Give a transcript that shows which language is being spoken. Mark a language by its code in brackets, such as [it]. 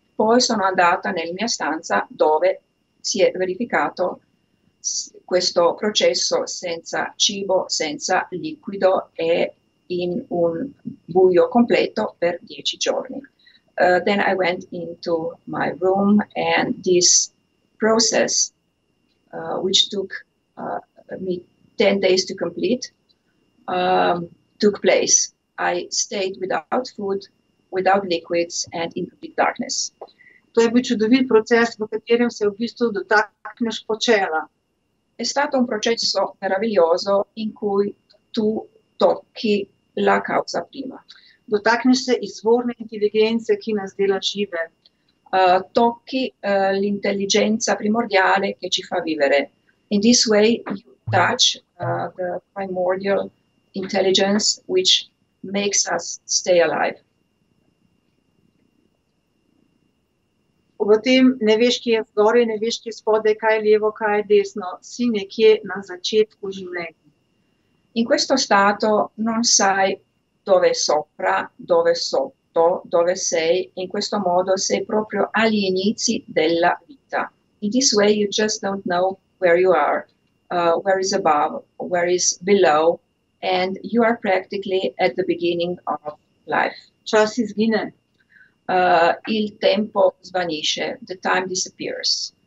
[it] Poi sono andata nella mia stanza dove si è verificato questo processo senza cibo, senza liquido e in un buio completo per 10 giorni. [en] Then I went into my room and this process, which took me 10 days to complete, took place. I stayed without food, without liquids and in complete darkness. [sl] To je bil čudovit proces, v katerem se v bistvu dotakneš počela. [it] È stato un processo meraviglioso in cui tu tocchi la causa prima. [sl] Dotakneš se izvorne intelligenze, ki nas dela žive. [it] Tocchi l'intelligenza primordiale che ci fa vivere. [en] In this way you touch the primordial intelligence which makes us stay alive. [sl] V tem ne veš, kje je zgore, ne veš, kje je spode, kaj je levo, kaj je desno. Si nekje na začetku življenja. [it] In questo stato non sai dove sopra, dove sotto, dove sei. In questo modo sei proprio agli inizi della vita. [en] In this way you just don't know where you are, where is above, where is below. And you are practically at the beginning of life. [sl] Čas izgine. [it] Il tempo svanisce, [en] the time disappears.